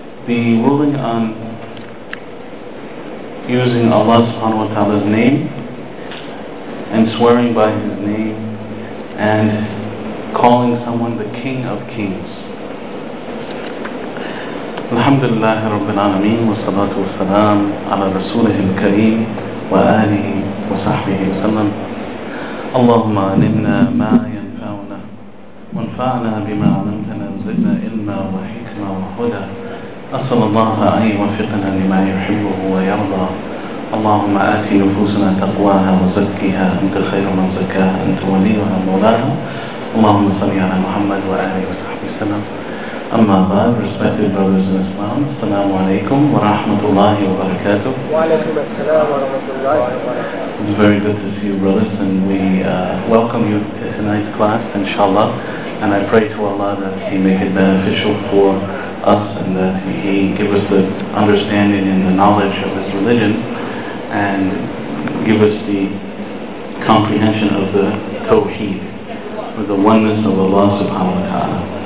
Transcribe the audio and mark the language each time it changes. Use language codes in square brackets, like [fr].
[en] The ruling on using Allah subhanahu wa ta'ala's name and swearing by his name and calling someone the King of Kings. [ar] الحمد لله رب العالمين والصلاة والسلام على رسوله الكريم وآله وصحبه وسلم. اللهم علمنا ما ينفعنا وانفعنا بما علمتنا وزدنا علما وحكما وهدى. أسأل الله أن يوفقنا لما يحبه ويرضى. اللهم آت نفوسنا تقواها وزكها أنت خير من زكاها أنت وليها مولاها. اللهم صل على محمد وآله وصحبه وسلم. أما بعد, [en] respected brothers in Islam, [ar] السلام عليكم ورحمة الله وبركاته. وعليكم السلام ورحمة الله وبركاته. [en] It's very good to see you, brothers, and we welcome you to tonight's class, inshallah. And I pray to Allah that He make it beneficial for us and that He give us the understanding and the knowledge of His religion and give us the comprehension of the Tawheed, or the oneness of Allah subhanahu wa ta'ala.